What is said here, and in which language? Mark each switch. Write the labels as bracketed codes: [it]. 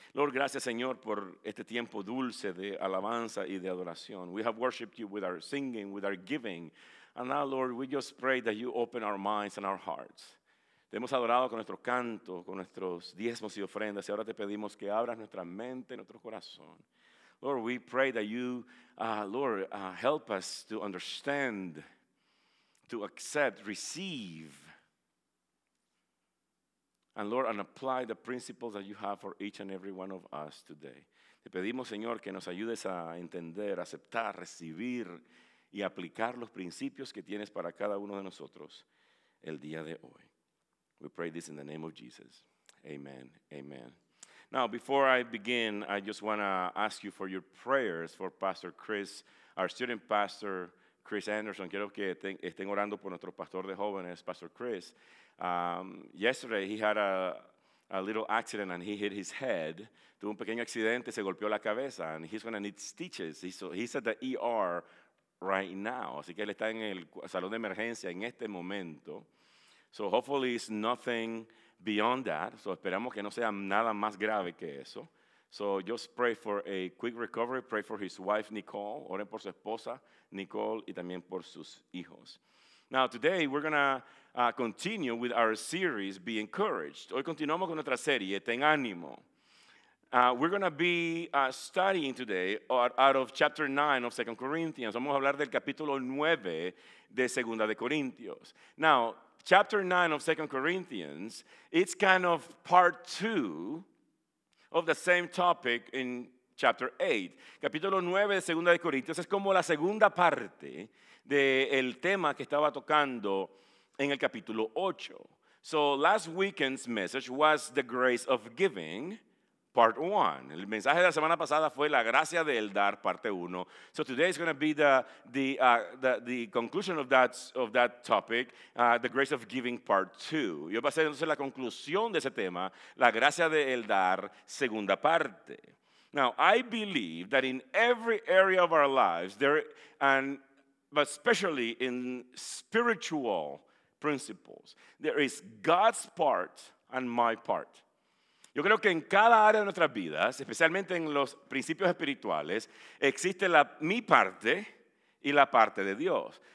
[es] Lord, gracias, Señor, por este tiempo dulce de alabanza y de adoración. [en] We have worshipped you with our singing, with our giving. And now, Lord, we just pray that you open our minds and our hearts. [es] Te hemos adorado con nuestro canto, con nuestros diezmos y ofrendas. Y ahora te pedimos que abras nuestra mente y nuestro corazón. [en] Lord, we pray that you, help us to understand, to accept, receive, and Lord, and apply the principles that you have for each and every one of us today. [es] Te pedimos, Señor, que nos ayudes a entender, aceptar, recibir y aplicar los principios que tienes para cada uno de nosotros el día de hoy. [en] We pray this in the name of Jesus. Amen. Amen. Now, before I begin, I just want to ask you for your prayers for Pastor Chris, our student pastor, Chris Anderson. [es] Quiero que estén orando por nuestro pastor de jóvenes, Pastor Chris. [en] Yesterday, he had a little accident and he hit his head. [es] Tuvo un pequeño accidente, se golpeó la cabeza, [en] and he's going to need stitches. He's at the ER right now. [es] Así que él está en el salón de emergencia en este momento. [en] So hopefully it's nothing beyond that. [es] So esperamos que no sea nada más grave que eso. [en] So just pray for a quick recovery. Pray for his wife, Nicole. [es] Oren por su esposa, Nicole, y también por sus hijos. [en] Now today we're going to continue with our series, Be Encouraged. [es] Hoy continuamos con nuestra serie, Ten Ánimo. [en] We're going to be studying today out of chapter 9 of 2 Corinthians. [es] Vamos a hablar del capítulo 9 de 2 de Corintios. [en] Now, chapter 9 of 2 Corinthians, it's kind of part 2 of the same topic in chapter 8. [es] Capítulo 9 de 2 de Corintios es como la segunda parte del tema que estaba tocando en el capítulo 8. [en] So last weekend's message was the grace of giving, part 1. [es] El mensaje de la semana pasada fue la gracia del dar, parte 1. [en] So today is going to be the conclusion of that topic, the grace of giving, part 2. [es] Y va a ser entonces la conclusión de ese tema, la gracia del dar, segunda parte. [en] Now, I believe that in every area of our lives, but especially in spiritual principles, there is God's part and my part. [es] Yo creo que en cada área de nuestras vidas, especialmente en los principios espirituales, existe mi parte y la parte de Dios.